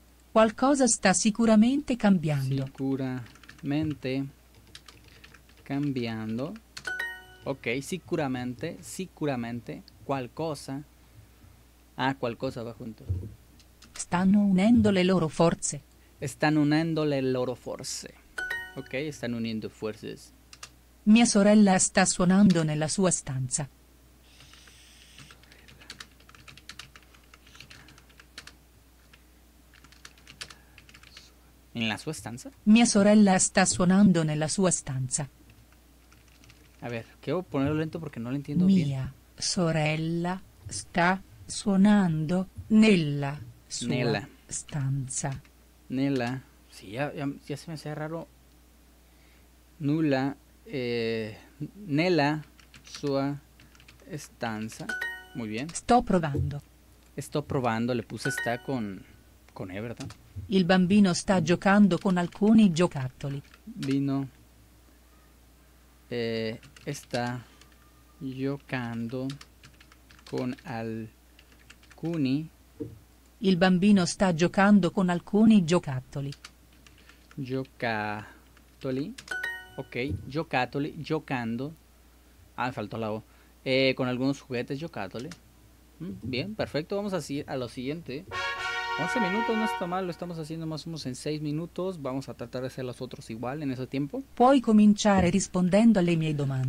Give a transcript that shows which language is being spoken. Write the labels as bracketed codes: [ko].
[it] Qualcosa sta sicuramente cambiando. Sicuramente cambiando. Ok, sicuramente, sicuramente, qualcosa. Ah, qualcosa [es] va junto. [it] stanno unendo le loro forze. [es] Están uniendo [it] le loro forze. [es] Ok, están uniendo fuerzas. [it] Mia sorella sta suonando nella sua stanza. ¿En la sua stanza? Mia sorella sta suonando nella sua stanza. [es] A ver, quiero ponerlo lento porque no lo entiendo [it] mia [es] bien. [it] Mia sorella sta suonando nella sua nella stanza. [es] Nella. Sí, ya se me hace raro. Nulla. [it] Nella sua stanza. [es] Muy bien. [it] Sto provando. Sto provando. [es] Le puse sta con E, ¿verdad? [it] Il bambino sta giocando con alcuni giocattoli. Vino. Sta giocando con alcuni. Il bambino sta giocando con alcuni giocattoli. Giocattoli. Ok, giocattoli, giocando. [es] Ah, me faltó la O. Con algunos juguetes, giocattoli. Bien, perfecto. Vamos así a lo siguiente. 11 minutos no está mal, lo estamos haciendo más o menos en 6 minutos. Vamos a tratar de hacer los otros igual en ese tiempo. [it] Puoi cominciare rispondendo alle mie domande.